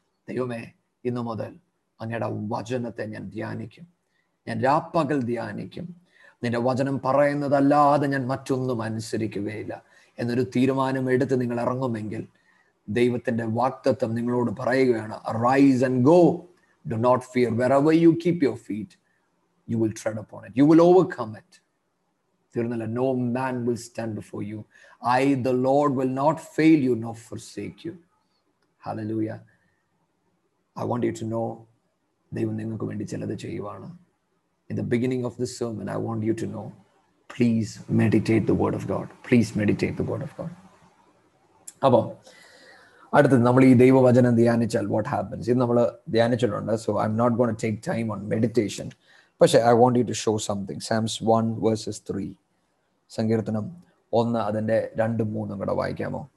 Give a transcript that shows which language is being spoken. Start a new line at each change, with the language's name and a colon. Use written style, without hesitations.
Malayalam: ദൈവമേ ഇന്നു മുതൽ അങ്ങയുടെ വചനത്തെ ഞാൻ ധ്യാനിക്കും, ഞാൻ രാപ്പകൽ ധ്യാനിക്കും, നിന്റെ വചനം പറയുന്നതല്ലാതെ ഞാൻ മറ്റൊന്നും അനുസരിക്കുകയില്ല എന്നൊരു തീരുമാനം എടുത്ത് നിങ്ങൾ ഇറങ്ങുമെങ്കിൽ ദൈവത്തിന്റെ വാക്തത്വം നിങ്ങളോട് പറയുകയാണ്,
English: Rise and go, do not fear, wherever you keep your feet you will tread upon it, you will overcome it.
Malayalam: തീർന്നല്ല,
English: No man will stand before you, I the Lord will not fail you no forsake you. Hallelujah. I want you to know,
Malayalam: ദൈവം നിങ്ങൾക്ക് വേണ്ടി ചിലത് ചെയ്യുവാണ്.
English: In the beginning of this sermon, I want you to know, please meditate the word of God. Please meditate the word of God.
Malayalam: അപ്പോൾ അടുത്തത് നമ്മൾ ഈ ദൈവവചനം ധ്യാനിച്ചാൽ
English: what happens,
Malayalam: ഇത് നമ്മൾ ധ്യാനിച്ചിട്ടുണ്ട്.
English: so I am not gonna take time on meditation,
Malayalam: പക്ഷേ
English: I want you to show something.
Malayalam: സാംസ് 1:3, സങ്കീർത്തനം 1 അതിൻ്റെ 2-3 കൂടെ വായിക്കാമോ?